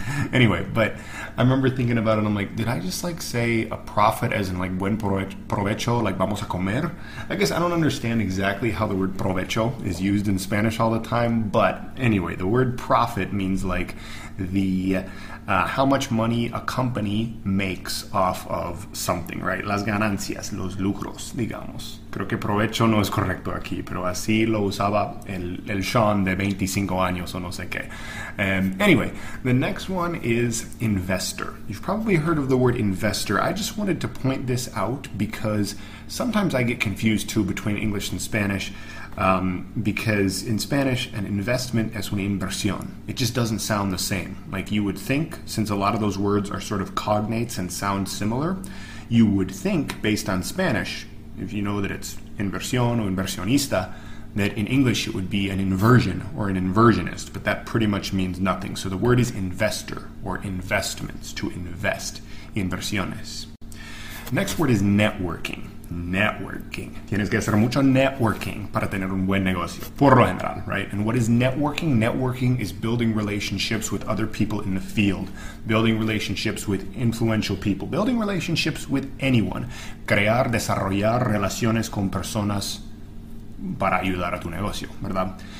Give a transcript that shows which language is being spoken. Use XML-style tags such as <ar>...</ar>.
<en>anyway, but I remember thinking about it, and I'm like, did I just, like, say a profit as in, like, buen provecho, like, vamos a comer? I guess I don't understand exactly how the word provecho is used in Spanish all the time, but anyway, the word profit means, like, the how much money a company makes off of something, right?</en> <es>Las ganancias, los lucros, digamos. Creo que provecho no es correcto aquí, pero así lo usaba el Sean de 25 años o no sé qué.</es> <en>Anyway, the next one is investor. You've probably heard of the word investor. I just wanted to point this out because sometimes I get confused too between English and Spanish. Because in Spanish, an investment es una inversión. It just doesn't sound the same. Like you would think, since a lot of those words are sort of cognates and sound similar, you would think, based on Spanish, if you know that it's inversión or inversionista, that in English it would be an inversion or an inversionist, but that pretty much means nothing. So the word is investor or investments, to invest, inversiones. Next word is networking. Networking.</en> <es>Tienes que hacer mucho networking para tener un buen negocio.</es> <en>Por lo general, right? And what is networking? Networking is building relationships with other people in the field, building relationships with influential people, building relationships with anyone.</en> <es>Crear, desarrollar relaciones con personas para ayudar a tu negocio, ¿verdad?</es>